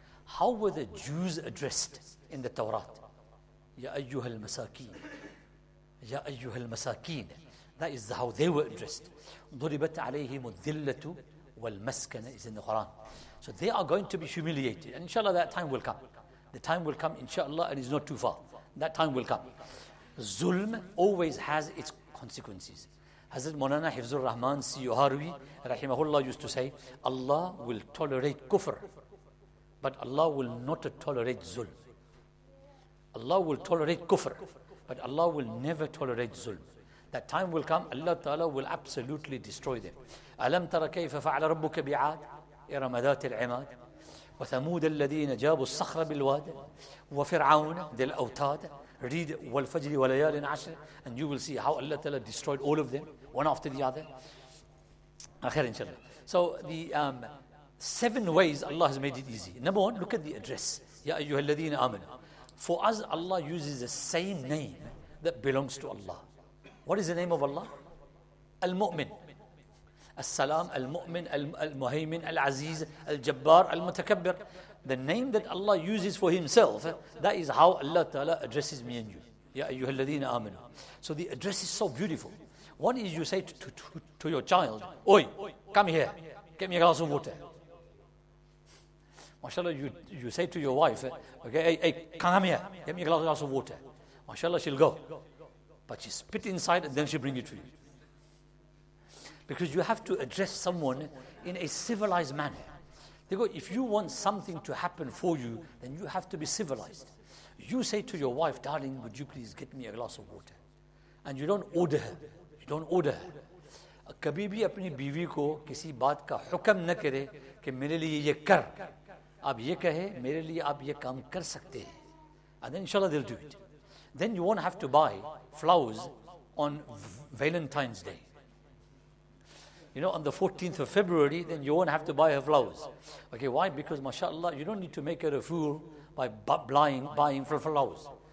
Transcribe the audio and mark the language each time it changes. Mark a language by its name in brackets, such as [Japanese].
[English] How were the Jews addressed in the Torah? [Arabic] Ya أَيُّهَا الْمَسَاكِينَ. Ya أَيُّهَا الْمَسَاكِينَ. [English] That is how they were addressed. [Arabic] ضُرِبَتْ عَلَيْهِمُ الذِّلَّةُ وَالْمَسْكَنَ [English] is in the Quran. So they are going to be humiliated. And inshallah, that time will come. The time will come, inshallah, and it's not too far. That time will come. Zulm always has its consequences. Hazrat Mawlana Hifzur Rahman Siyuharwi, rahimahullah, used to say, Allah will tolerate kufr, but Allah will not tolerate zulm. Allah will tolerate kufr, but Allah will never tolerate zulm. That time will come, Allah Ta'ala will absolutely destroy them. [Arabic] أَلَمْ تَرَ كَيْفَ فَعْلَ رَبُّكَ بِعَادِ إِرَمَذَاتِ الْعِمَادِ وَثَمُودَ الَّذِينَ جَابُوا الصَّخْرَ بِالْوَادِ وَفِرْعَوْنَ ذِي الْأَوْتَادِ [English] Read [Arabic] وَالْفَجْرِ وَلَيَالٍ عَشْرٍ [English] and you will see how Allah Ta'ala destroyed all of them, one after the other. Akhir inshallah. So the seven ways Allah has made it easy. Number one, look at the address. [Arabic] يَا أَيُّهَا الَّذِينَ آمَنُوا. [English] For us, Allah uses the same name that belongs to Allah. What is the name of Allah? Al-Mu'min. As-Salam, Al-Mu'min, Al-Muhaymin, Al-Aziz, Al-Jabbar, Al-Mutakabbir. The name that Allah uses for Himself, that is how Allah Ta'ala addresses me and you. [Arabic] Ya ayyuhal ladhina amanu. [English] So the address is so beautiful. One is you say to your child, Oi, come here, get me a glass of water. MashaAllah, you say to your wife, okay, hey, come here, get me a glass of water. MashaAllah, she'll go. But she spit inside and then she bring it to you. Because you have to address someone in a civilized manner. They go, if you want something to happen for you, then you have to be civilized. You say to your wife, darling, would you please get me a glass of water? And you don't order her. You don't order her. [Urdu] کبھی بھی اپنی بیوی کو کسی بات کا حکم نہ کرے کہ میرے لیے یہ کر. آپ یہ کہے میرے لیے آپ یہ کام کر سکتے ہیں. [English] And then inshallah they'll do it. Then you won't have to buy flowers on Valentine's Day. You know, on the 14th of February, then you won't have to buy her flowers. Okay, why? Because mashallah, you don't need to make her a fool by buying for flowers.